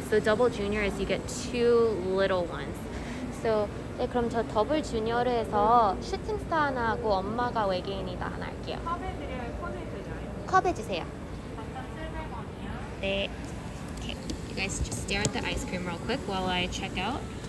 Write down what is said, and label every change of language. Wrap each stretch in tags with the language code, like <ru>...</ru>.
<en>So double junior is you get two little ones.</en> <ko>So 네, 그럼 저 더블 주니어를 해서 슈팅스타 하나 하고 엄마가 외계인이다 하나 할게요. 컵에 드려요? 컵에 주세요. 네.</ko> <en>Okay. You guys just stare at the ice cream real quick while I check out.</en>